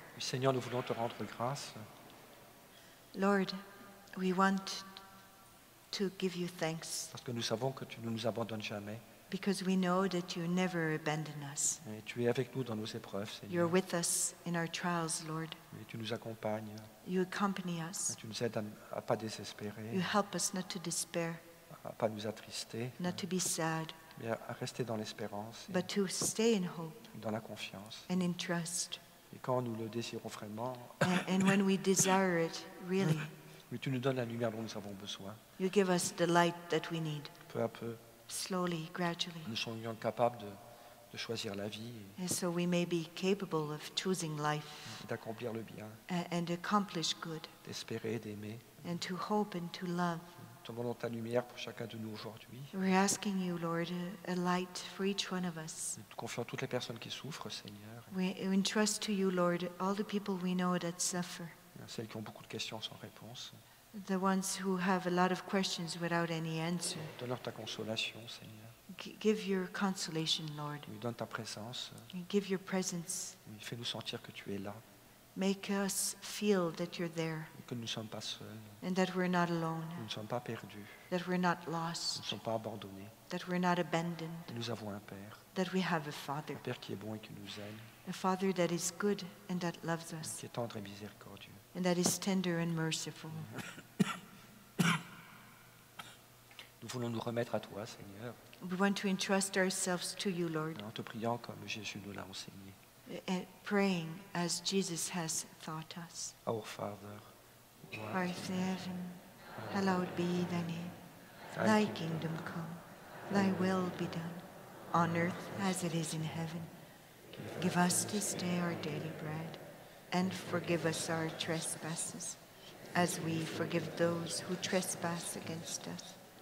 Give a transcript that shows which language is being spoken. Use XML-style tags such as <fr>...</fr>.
<fr>Seigneur, nous voulons te rendre grâce.</fr> <en>Lord, we want to give you thanks.</en> <fr>Parce que nous savons que tu ne nous abandonnes jamais.</fr> <en>Because we know that you never abandon us.</en> <fr>Et tu es avec nous dans nos épreuves, Seigneur.</fr> <en>You're with us in our trials, Lord.</en> <fr>Et tu nous accompagnes.</fr> <en>You accompany us.</en> <fr>Et tu nous aides à pas désespérer.</fr> <en>You help us not to despair.</en> <fr>À pas nous attrister.</fr> <en>Not to be sad.</en> <fr>Mais à rester dans l'espérance.</fr> <en>But to stay in hope.</en> <fr>Dans la confiance.</fr> <en>And in trust.</en> <fr>Et quand nous le désirons vraiment.</fr> <en>And when we desire it, really.</en> <fr>Mais tu nous donnes la lumière dont nous avons besoin.</fr> <en>You give us the light that we need.</en> <fr>Peu à peu.</fr> <en>Slowly, gradually.</en> <fr>Nous serions capables de choisir la vie.</fr> <en>And so we may be capable of choosing life.</en> <fr>D'accomplir le bien.</fr> <en>And accomplish good.</en> <fr>D'espérer, d'aimer.</fr> <en>And to hope and to love.</en> <fr>Demandons ta lumière pour chacun de nous aujourd'hui.</fr> <en>We're asking you, Lord, a light for each one of us.</en> <fr>Nous confions toutes les personnes qui souffrent, Seigneur.</fr> <en>We entrust to you, Lord, all the people we know that suffer.</en> <fr>Celles qui ont beaucoup de questions sans réponse.</fr> <en>The ones who have a lot of questions without any answer.</en> <fr>Donne-leur ta consolation, Seigneur.</fr> <en>Give your consolation, Lord.</en> <fr>Donne ta présence.</fr> <en>Give your presence.</en> <fr>Fais-nous sentir que tu es là.</fr> <en>Make us feel that you're there.</en> <fr>Que nous ne sommes pas seuls.</fr> <en>And that we're not alone.</en> <fr>Nous ne sommes pas perdus.</fr> <en>That we're not lost.</en> <fr>Nous ne sommes pas abandonnés.</fr> <en>That we're not abandoned.</en> <fr>Et nous avons un Père.</fr> <en>That we have a Father.</en> <fr>Un Père qui est bon et qui nous aime.</fr> <en>A Father that is good and that loves us.</en> <fr>Et qui est tendre et miséricordieux.</fr> <en>And that is tender and merciful.</en> <fr>Nous voulons nous remettre à toi, Seigneur.</fr> <en>We want to entrust ourselves to you, Lord.</en> <fr>En te priant comme Jésus nous l'a enseigné.</fr> <en>And praying as Jesus has taught us. Our Father, who art in heaven, hallowed be thy name. Thy kingdom come, thy will be done, on earth as it is in heaven. Give us this day our daily bread, and forgive us our trespasses, as we forgive those who trespass against us.</en>